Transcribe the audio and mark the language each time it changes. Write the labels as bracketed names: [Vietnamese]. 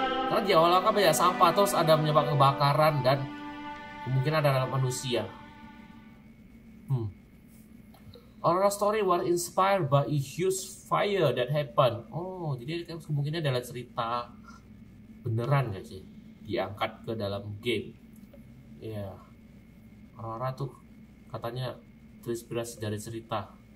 [Indonesian] Karena di awal kan banyak sampah, terus ada menyebab kebakaran dan mungkin ada dalam manusia. [English] Aurora story was inspired by a huge fire that happened. [Indonesian] Oh, jadi kemungkinan adalah cerita beneran gak sih? Diangkat ke dalam game. Ya, yeah. Aurora tuh katanya terinspirasi dari cerita.